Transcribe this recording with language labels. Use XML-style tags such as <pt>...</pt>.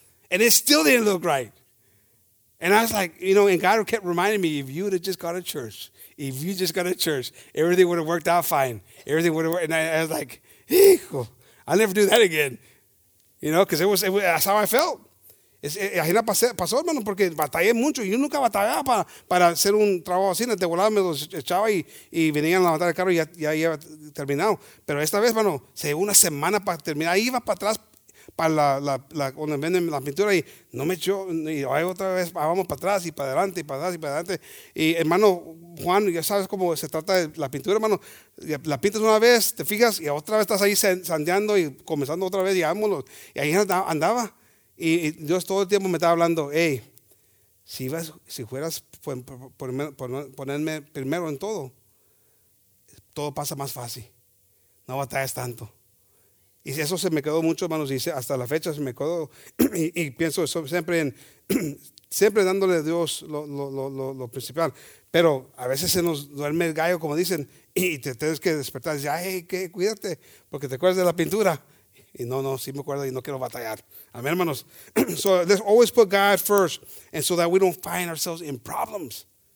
<en>And it still didn't look right. And I was like, you know, and God kept reminding me, if you just got to church, everything would have worked out fine. Everything would have worked. And I was like, hijo, I'll never do that again. You know, because it was that's how I felt.</en> <es>Imagina pasé, pasó, hermano, porque batallé mucho. Yo nunca batallaba para hacer un trabajo así. De volada me los echaba y venían a levantar el carro y ya había terminado. Pero esta vez, hermano, se llevó una semana para terminar. Ahí iba para atrás, para la donde venden la pintura y no me echó. Y ahí otra vez vamos para atrás y para adelante y para atrás y para adelante. Y hermano Juan, ya sabes cómo se trata de la pintura, hermano. La pintas una vez, te fijas, y otra vez estás ahí sandeando y comenzando otra vez. Y ahí andaba. Y Dios todo el tiempo me estaba hablando, hey, si fueras ponerme primero en todo, todo pasa más fácil. No batallas tanto. Y eso se me quedó mucho, hermanos, y hasta la fecha se me quedó. Y pienso eso, siempre dándole a Dios lo principal. Pero a veces se nos duerme el gallo, como dicen, y te tienes que despertar y decir, ay, qué, cuídate, porque te acuerdas de la pintura. Y no, sí me acuerdo y no quiero batallar. Amén, hermanos.</es> <en>So let's always put God first, and so that we don't find ourselves in problems.</en>